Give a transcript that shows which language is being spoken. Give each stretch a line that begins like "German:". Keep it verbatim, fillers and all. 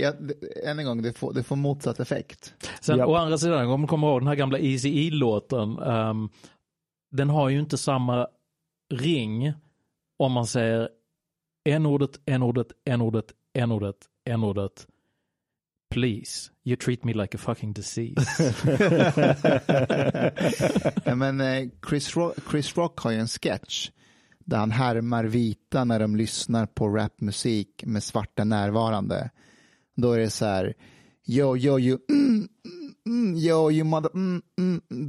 Swedish: Jag, än en gång, det får, det får motsatt effekt. Sen, yep. Å andra sidan, om man kommer ihåg den här gamla E C E-låten. Um, den har ju inte samma ring om man säger n-ordet, n-ordet, n-ordet, n-ordet, n-ordet.
English: Please, you treat me like a fucking disease.
Swedish: Ja, men Chris Rock, Chris Rock har ju en sketch där han härmar vita när de lyssnar på rapmusik med svarta närvarande. Då är det så här, yo, yo, yo, mm, mm, yo,
English: you mother,
Swedish: mm, mm.